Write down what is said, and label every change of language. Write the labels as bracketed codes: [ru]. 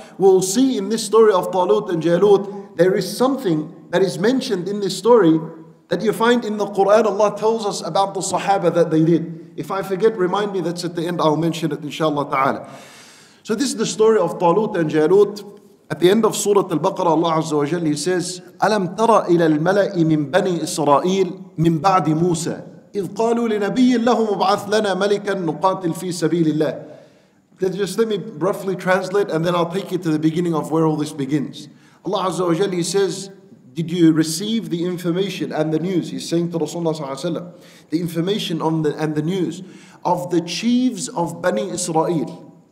[en] We'll see in this story of Talut and Jaalut, there is something that is mentioned in this story that you find in the Qur'an. Allah tells us about the Sahaba that they did. If I forget, remind me, that's at the end, I'll mention it inshallah ta'ala. So this is the story of Talut and Jaalut. At the end of Surat Al-Baqarah, Allah Azza wa Jalla, He says, [ar] أَلَمْ تَرَ إِلَى الْمَلَأِ مِنْ بَنِي إِسْرَائِيلِ مِنْ بَعْدِ مُوسَى إِذْ قَالُوا لِنَبِيٍّ لَهُمْ مُبْعَثْ لَنَا مَلِكًا نُقَاتِلْ فِي سَبِيلِ اللَّهِ. [en] Just let me roughly translate and then I'll take you to the beginning of where all this begins. Allah Azza wa Jalla, He says, did you receive the information and the news? He's saying to Rasulullah Sallallahu Alaihi Wasallam, the information on the, and the news of the chiefs of Bani Israel.